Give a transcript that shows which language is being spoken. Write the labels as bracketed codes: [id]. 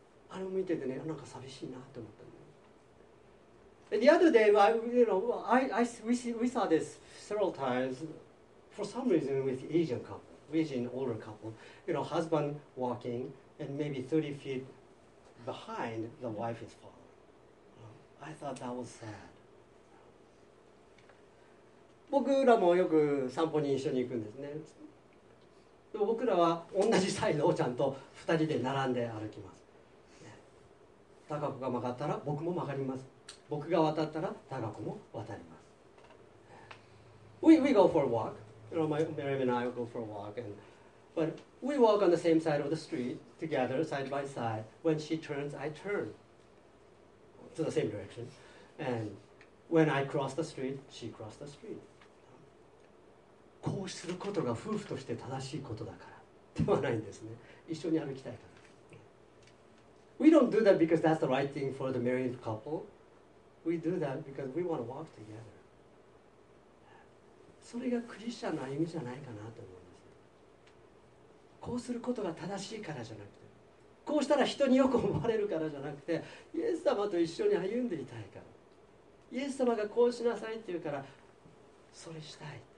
[ja] あれを見ててね、なんか寂しいなと思ったの。 [en] And the other day, we saw this several times. For some reason, with Asian couple, Asian older couple, you know, husband walking and maybe 30 feet behind, the wife is following. I thought that was sad. [ja] 僕らもよく散歩に一緒に行くんですね。でも僕らは同じサイドをちゃんと2人で並んで歩きます。タカコが曲がったら僕も曲がります。僕が渡ったらタカコも渡ります。 [en] We go for a walk. You know, Miriam and I go for a walk. But we walk on the same side of the street together, side by side. When she turns, I turn to the same direction. And when I cross the street, she cross the street. [ja] こうすることが夫婦として正しいことだからではないんですね。一緒に歩きたいから。 [en] We don't do that because that's the right thing for the married couple. We do that because we want to walk together. [ja] それがクリスチャンの歩みじゃないかなと思うんです。こうすることが正しいからじゃなくて、こうしたら人によく思われるからじゃなくて、イエス様と一緒に歩んでいたいから。イエス様がこうしなさいって言うから、それしたい。